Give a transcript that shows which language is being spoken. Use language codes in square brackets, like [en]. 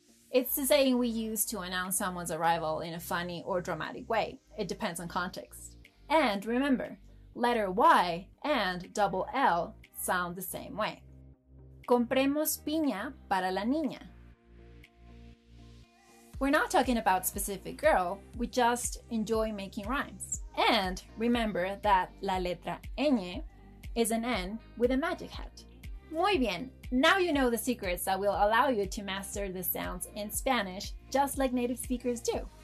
[en] It's the saying we use to announce someone's arrival in a funny or dramatic way. It depends on context. And remember, letter Y and double L sound the same way. [es] Compremos piña para la niña. [en] We're not talking about specific girl, we just enjoy making rhymes. And remember that [es] la letra Ñ [en] is an N with a magic hat. [es] Muy bien, [en] now you know the secrets that will allow you to master the sounds in Spanish, just like native speakers do.